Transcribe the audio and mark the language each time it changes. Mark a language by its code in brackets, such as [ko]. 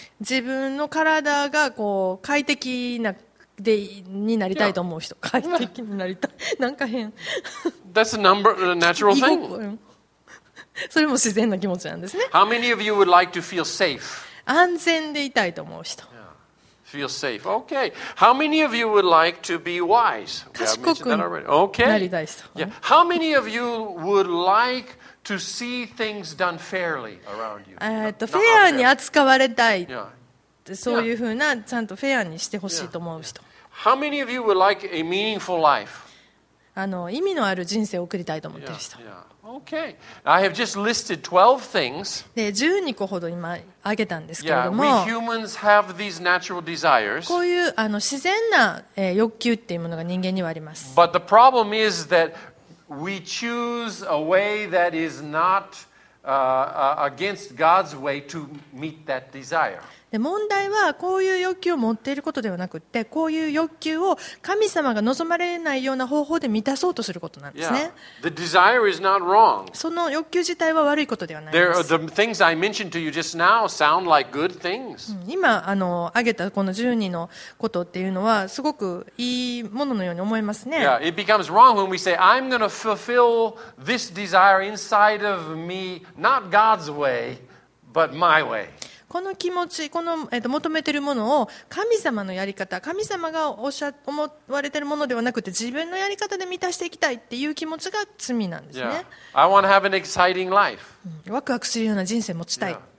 [ja] 自分の体がこう快適なでになりたいと思う人、快適になりたい、なんか変。 [en] That's a number, a natural thing. [ja] それも自然な気持ちなんですね。 [en] How many of you would like to feel safe? [ja] 安全でいたいと思う人。 [en] Feel safe. Okay. How many of you would like to be wise? [ja] 賢くなりたい人。 Yeah. [en] How many of you would like? To see things done fairly around you. [ja] フェアに扱われたい。Yeah. そういうふうな、ちゃんとフェアにしてほしいと思う人。 Yeah. [en] How many of you would like a meaningful life? [ja] 意味のある人生を送りたいと思っている人。 Yeah. Okay. [en] I have just listed 12 things. [ja] で、12個ほど今挙げたんですけれども。 [en] Yeah. We humans have these natural desires. [ja] こういう自然な欲求っていうものが人間にはあります。 [en] But the problem is that we choose a way that is not against God's way to meet that desire. [ja] で問題はこういう欲求を持っていることではなくて、こういう欲求を神様が望まれないような方法で満たそうとすることなんですね。 [en] Yeah. The desire is not wrong. [ja] その欲求自体は悪いことではないです。 [en] There are the things I mentioned to you just now sound like good things. [ja] 今挙げたこの十二のことっていうのはすごくいいもののように思いますね。 [en] Yeah, it becomes wrong when we say I'm going to fulfill this desire inside of me, not God's way, but my way. [ja] この気持ち、この、求めているものを神様のやり方、神様がおっしゃ思われているものではなくて自分のやり方で満たしていきたいっていう気持ちが罪なんですね。 [en] Yeah. I want to have an exciting life. [ja] ワクワクするような人生を持ちたい。